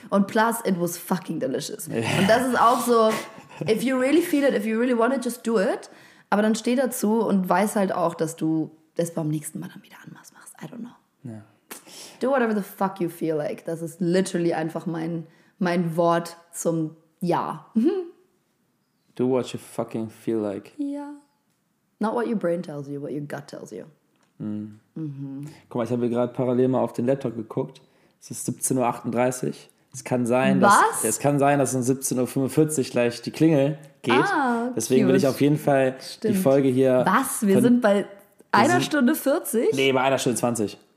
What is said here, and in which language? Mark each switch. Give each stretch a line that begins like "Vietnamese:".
German: Und plus,
English: it was fucking delicious.
German: Ja. Und das ist auch so,
English: if you really feel it, if you really want it, just do it.
German: Aber dann steh dazu und weiß halt auch, dass du das beim nächsten Mal dann wieder anders machst.
English: I don't know.
German: Ja.
English: Do whatever the fuck you feel like.
German: Das ist literally einfach mein Wort zum Ja.
English: Do what you fucking feel like.
German: Ja.
English: Not what your brain tells you, what your gut tells you. Mm.
German: Guck mal, ich habe gerade parallel mal auf den Laptop geguckt. Es ist 17.38 Uhr. Es kann sein, dass um 17.45 Uhr gleich die Klingel geht. Ah, deswegen will ich auf jeden Fall die Folge hier. Was? Wir sind bei einer Stunde 40? Nee, bei einer Stunde 20.